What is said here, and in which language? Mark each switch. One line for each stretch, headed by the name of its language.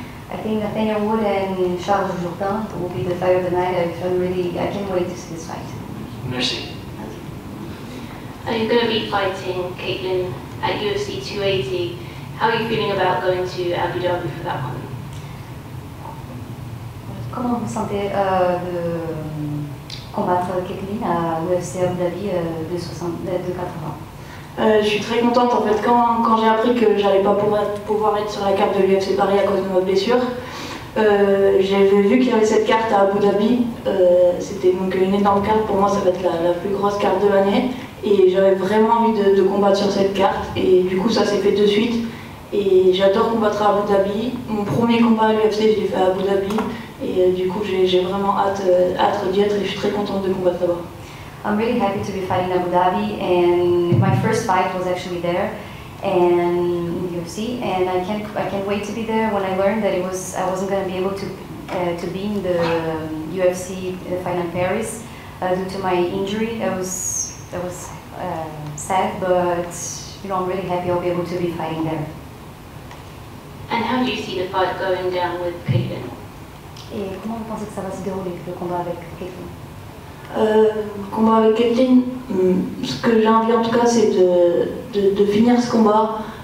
English: I think Natalia Wood and Charles Jourdain will be the Fight of the Night. I can't wait to see this fight.
French: Merci.
English: Okay. Are you going to be fighting Caitlin at UFC 280? How are you feeling about going to Abu Dhabi for that one?
French: Comment vous sentez de combattre Caitlin à l'UFC Abu Dhabi de 80? Je suis très contente en fait. Quand j'ai appris que j'allais pas pouvoir être sur la carte de l'UFC Paris à cause de ma blessure, j'avais vu qu'il y avait cette carte à Abu Dhabi. C'était donc une énorme carte. Pour moi, ça va être la plus grosse carte de l'année. Et j'avais vraiment envie de combattre sur cette carte. Et du coup, ça s'est fait de suite. Et j'adore combattre à Abu Dhabi. Mon premier combat à l'UFC, je l'ai fait à Abu Dhabi. Et du coup, j'ai vraiment hâte d'y être et je suis très contente de combattre là-bas.
English: I'm really happy to be fighting Abu Dhabi, and my first fight was actually there, and UFC, and I can't wait to be there. When I learned that I wasn't going to be able to be in the UFC fight in Paris due to my injury, that was sad, but I'm really happy I'll be able to be fighting there. And how do you see the fight going down with Caitlin?
French: Et comment vous pensez que ça va se dérouler, le combat avec Caitlin? Combat avec Caitlin, ce que j'ai envie en tout cas, c'est de finir ce combat.